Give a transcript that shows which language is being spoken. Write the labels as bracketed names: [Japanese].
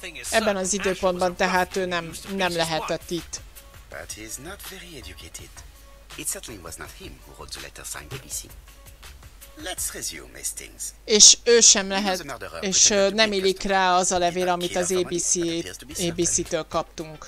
[Hungarian] Ebben az időpontban tehát ő nem lehetett itt. [English] But he is not very educated. It certainly was not him who wrote the letter signed ABC. Let's resume these things. [Hungarian] És ő sem lehet, és nem illik rá az a levél, amit az ABC-től kaptunk.